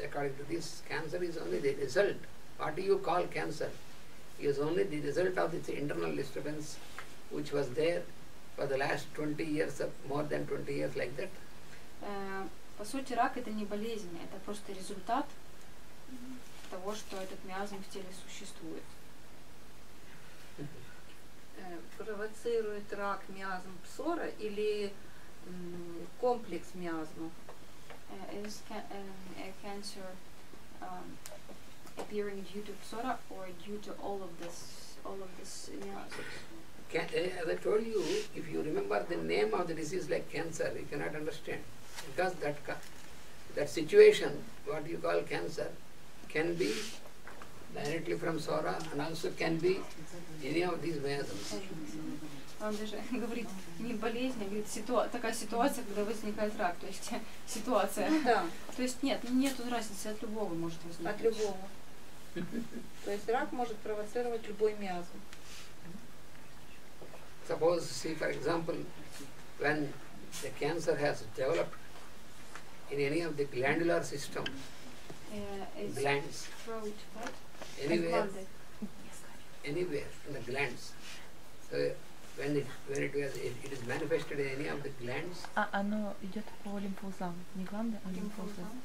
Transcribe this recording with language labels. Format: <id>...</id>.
<en>According to this, cancer is only the result. What do you call cancer? It is only the result of its internal disturbance which was there for the last 20 years of more than 20 years like that.</en> <ru>По сути, рак – это не болезнь, это просто результат того, что этот миазм в теле существует. Провоцирует рак миазм псора или комплекс миазмов?</ru> <en>Is a cancer appearing due to psora or due to all of this miasms? As I told you, if you remember the name of the disease like cancer, you cannot understand. Because that situation, what you call cancer, can be directly from psora and also can be any of these miasms.</en> <ru>Он даже говорит не болезнь, а говорит такая ситуация, когда возникает рак. То есть ситуация. Да. То есть нет разницы, от любого может возникнуть. От любого. То есть рак может провоцировать любой миазм.</ru> <en>suppose, see, for example, when the cancer has developed in any of the glandular system, glands, throat, anywhere in the glands. So when it is manifested in any of the glands,</en> <ru>оно идет по лимфоузлам, не гланды, а лимфоузлы.</ru>